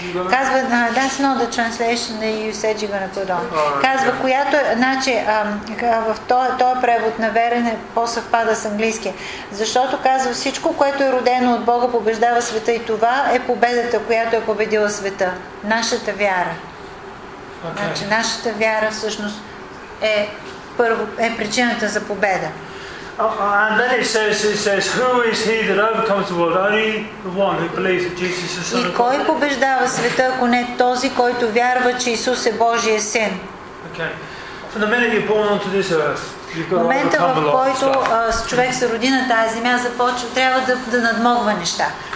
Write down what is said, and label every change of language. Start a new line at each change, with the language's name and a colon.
Bulgarian: Казва,
English: that's not the translation that you said you're gonna put on.
Bulgarian: Казва, която, значи, в този превод на верене по-съвпада с английския. Защото казва, всичко, което е родено от Бога, побеждава света, и това е победата, която е победила света. Нашата вяра.
English: Okay.
Bulgarian: Значи, нашата вяра всъщност е, първо, е причината за победа.
English: And then it says, who is he that overcomes the world? Only the one who believes that Jesus is the Son of God.
Bulgarian: И кой побеждава света, ако не този, който вярва, че Исус е Божия син?
English: Okay. From the minute you're born onto this earth,
Bulgarian: момента, в който човек се роди на тази земя, започва, трябва да надмогва неща.